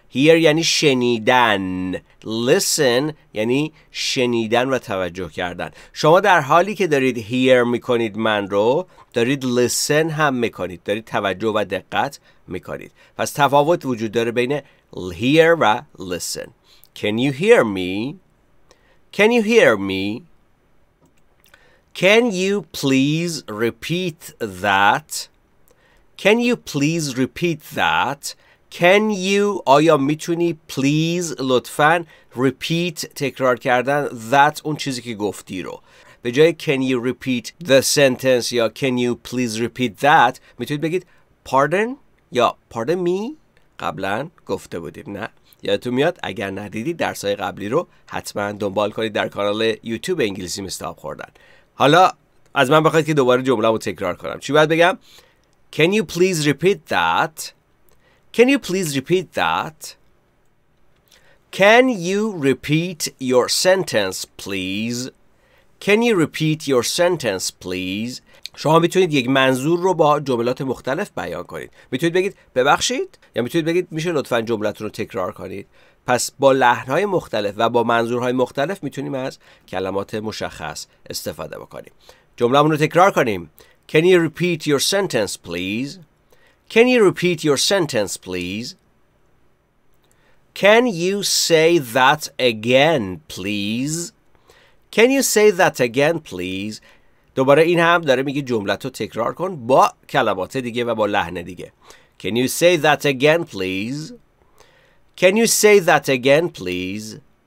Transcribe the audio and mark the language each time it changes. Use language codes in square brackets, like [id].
[fa] Hear یعنی شنیدن. Listen یعنی شنیدن و توجه کردن. شما در حالی که دارید hear میکنید من رو، دارید listen هم میکنید. دارید توجه و دقت میکنید. پس تفاوت وجود داره بین hear و listen. [en] Can you hear me? Can you hear me? Can you please repeat that? Can you please repeat that? [fa] Can you آیا میتونی please لطفاً repeat تکرار کردن that اون چیزی که گفتی رو. به جای [en] can you repeat the sentence [fa] یا [en] can you please repeat that [fa] میتونید بگید pardon یا pardon me قبلاً گفته بودیم. نه یادتون میاد؟ اگر ندیدید درسای قبلی رو حتما دنبال کنید در کانال یوتیوب انگلیسی مستاب خوردن. حالا از من بخواید که دوباره جمله رو تکرار کنم. چی باید بگم؟ [en] Can you please repeat that? Can you please repeat that? Can you repeat your sentence, please? Can you repeat your sentence, please? [fa] شما میتونید یک منظور رو با جملات مختلف بیان کنید. میتونید بگید ببخشید یا میتونید بگید میشه لطفاً جملتون رو تکرار کنید. پس با لحن‌های مختلف و با منظورهای مختلف میتونیم از کلمات مشخص استفاده بکنیم. جملمون رو تکرار کنیم. [en] Can you repeat your sentence please? Can you repeat your sentence please? Can you say that again please? Can you say that again please? [fa] دوباره این هم داره میگه جملتو تکرار کن با کلمات دیگه و با لحن دیگه. [en] Can you say that again please? Can you say that again please?